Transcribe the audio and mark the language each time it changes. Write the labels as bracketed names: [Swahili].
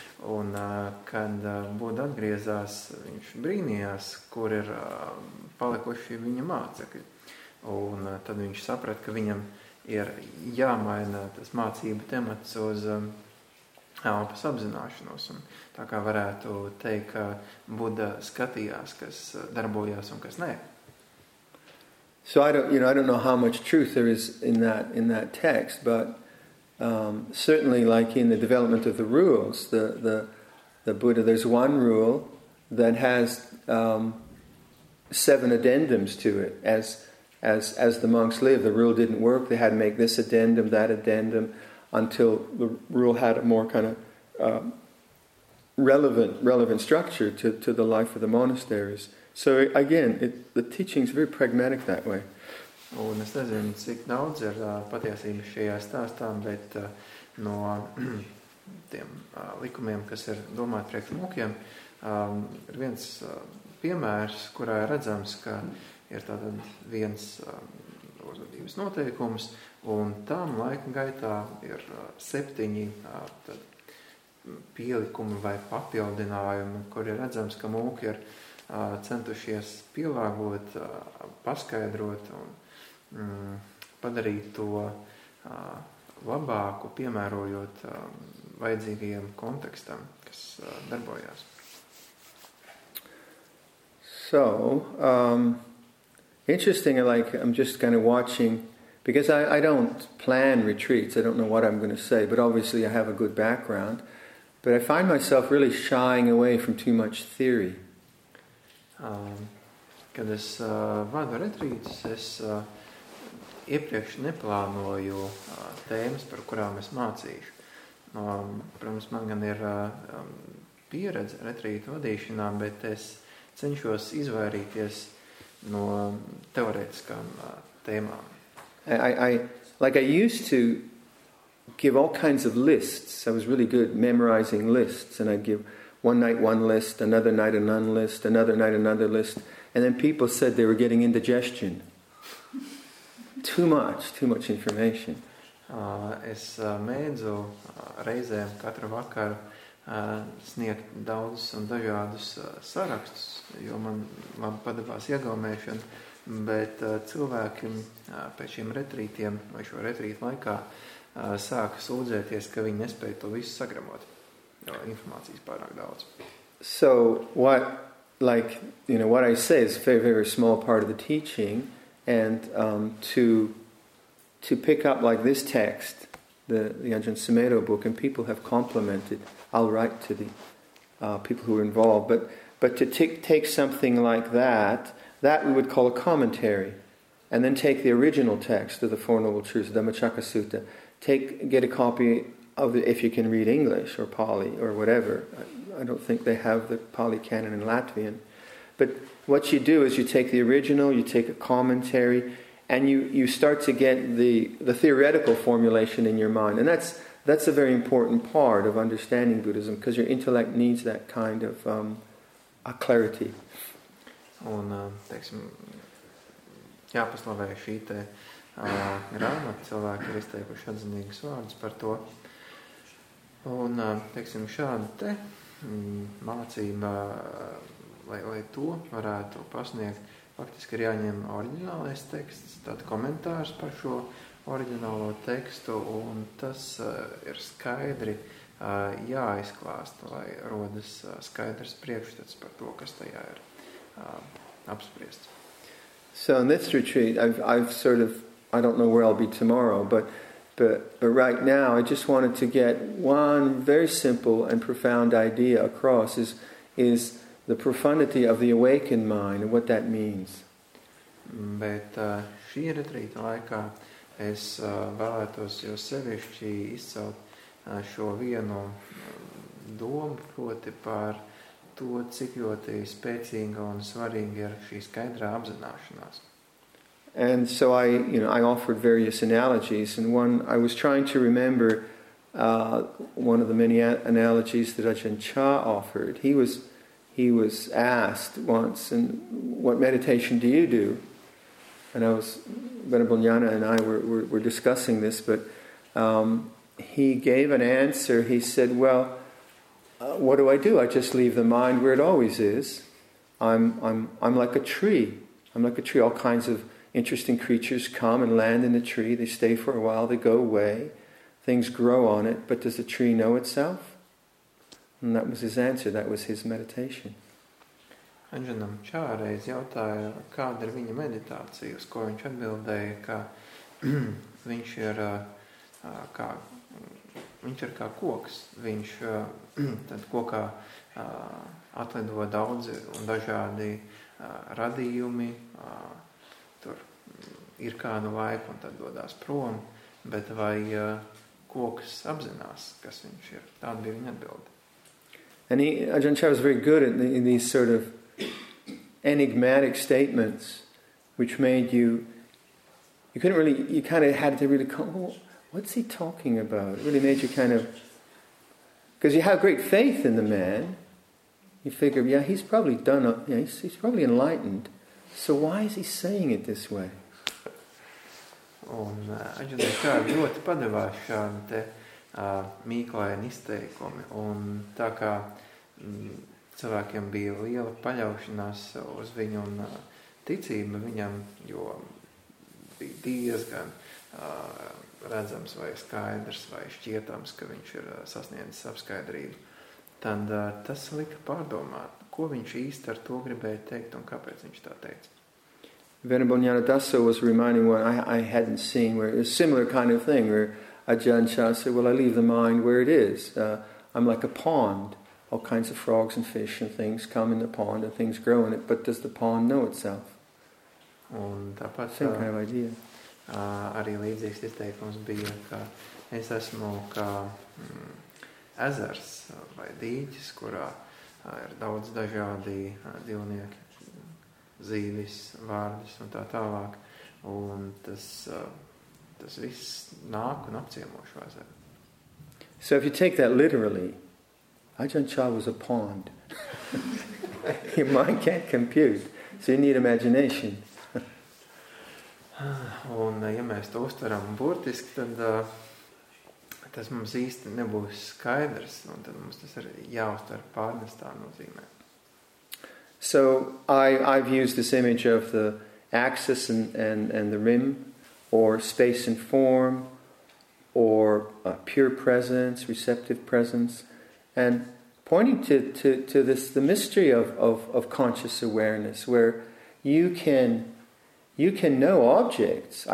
[Latvian] Un kad Buda atgriezās, viņš brīnījās, kur ir palikuši viņa mācekļi. Un tad viņš saprata, ka viņam ir jāmaina tas mācību temats uz elpas apzināšanos. Un tā kā varētu teikt, ka Buda skatījās, kas darbojās un kas ne. [English] So I don't know how much truth there is in that text, but certainly, like in the development of the rules, the Buddha, there's one rule that has seven addendums to it. As the monks live, the rule didn't work. They had to make this addendum, that addendum, until the rule had a more kind of relevant structure to the life of the monasteries. So again, the teaching is very pragmatic that way. [Latvian] Un es nezinu, cik daudz ir patiesības šajā stāstā, bet no tiem likumiem, kas ir domāti priekš mūkiem, ir viens piemērs, kurā ir redzams, ka ir tātad viens uzvedības noteikums, un tam laika gaitā ir septiņi tad pielikumi vai papildinājumi, kur ir redzams, ka mūki ir centušies pielāgot, paskaidrot un padarīt to labāku, piemērojot vajadzīgajiem kontekstam, kas darbojās. [English] So, interesting, like I'm just kind of watching, because I don't plan retreats, I don't know what I'm going to say, but obviously I have a good background, but I find myself really shying away from too much theory. [Latvian] Kad es vadu retrītus, es iepriekš neplānoju tēmas, par kurām es mācīšu. Protams, man gan ir pieredze retrītu vadīšanā, bet es cenšos izvairīties no teorētiskām tēmām. [English] I used to give all kinds of lists. I was really good memorizing lists, and I'd give one night one list, another night another list, another night another list, and then people said they were getting indigestion. Too much information. [Latvian] Es mēdzu reizēm katru vakaru sniegt daudzus un dažādus sarakstus, jo man padevās iegaumēšana, bet cilvēkiem pēc šiem retrītiem vai šo retrītu laikā sāka sūdzēties, ka viņi nespēja to visu sagramot. Informācijas pārāk daudz. [English] So what I say is a very, very small part of the teaching, and to pick up like this text, the Ajahn Sumedho book, and people have complimented, I'll write to the people who are involved, but to take something like that we would call a commentary, and then take the original text of the Four Noble Truths, the Dhammacakka Sutta, get a copy of the, if you can read English or Pali or whatever. I don't think they have the Pali canon in Latvian. But what you do is you take the original, you take a commentary, and you start to get the theoretical formulation in your mind. And that's a very important part of understanding Buddhism, because your intellect needs that kind of a clarity. [Latvian] Un, teiksim, jāpaslavē šī te grāmata, cilvēki ir izteikuši atzinīgas vārdas par to. Un, teiksim, šāda te mācība, lai to varētu pasniegt, faktiski ir jāņem oriģinālais teksts, tad komentārs par šo oriģinālo tekstu, un tas ir skaidri jāizklāst, lai rodas skaidrs priekšstats par to, kas tajā ir apspriests. [English] So in this retreat, I don't know where I'll be tomorrow, but right now I just wanted to get one very simple and profound idea across is the profundity of the awakened mind and what that means. [Latvian] Bet šī retrīta laikā es vēlētos jo sevišķi izcelt šo vienu domu proti par to, cik ļoti spēcīga un svarīga ir šī skaidrā apzināšanās. [English] And so I, you know, I offered various analogies, and one I was trying to remember one of the many analogies that Ajahn Chah offered. He was asked once, and what meditation do you do? And I was, Venerable Jnana and I were discussing this, but he gave an answer. He said, "Well, what do? I just leave the mind where it always is. I'm like a tree. I'm like a tree. All kinds of interesting creatures come and land in the tree. They stay for a while. They go away. Things grow on it. But does the tree know itself?" And that was his answer. That was his meditation. [Latvian] Anjanam Čāreiz jautāja, kāda ir viņa meditācija, uz ko viņš atbildēja, ka viņš ir kā viņš ir kā koks, viņš tad kokā atlido daudzi un dažādi radījumi, tur ir kādu laiku un tad dodās prom, bet vai koks apzinās, kas viņš ir, tāda bija viņa atbilde. [English] And Ajahn Chah was very good at these sort of enigmatic statements, which made you couldn't really, you kind of had to really come, oh, what's he talking about? It really made you kind of, because you have great faith in the man, you figure, yeah, he's probably done, yeah, he's probably enlightened, so why is he saying it this way? [Latvian] Un Ajahn Chah ļoti padevās šādi te mīklaini izteikumi, un tā kā cilvēkiem bija liela paļaušanās uz viņu un ticība viņam, jo bija diezgan redzams vai skaidrs vai šķietams, ka viņš ir sasniedzis apskaidrību. Tad tas lika pārdomāt, ko viņš īsti ar to gribēja teikt un kāpēc viņš tā teica. [English] Venerable Jnana Dasa was reminding what I hadn't seen, where a similar kind of thing, where Ajahn Chah said, well, I leave the mind where it is. I'm like a pond. All kinds of frogs and fish and things come in the pond and things grow in it, but does the pond know itself? [Latvian] Un tāpat, [English] same kind of idea. [Latvian] Arī līdzīgs izteikums bija, ka es esmu kā ezers vai dīķis, kurā ir daudz dažādi dzīvnieki, zīvis, vārdis un tā tālāk. Un tas viss nāk un apciemo šo ezeru. [English] So if you take that literally, Ajahn Chah was a pond. Your mind can't compute, so you need imagination. [Latvian] Un ja mēs to uztveram burtiski, tad tas mums īsti nebūs skaidrs, un tad mums tas ir jāuztver pārnestā nozīmē. [English] So I've used this image of the axis and the rim, or space and form, or pure presence, receptive presence, and pointing to this, the mystery of conscious awareness, where you can know objects.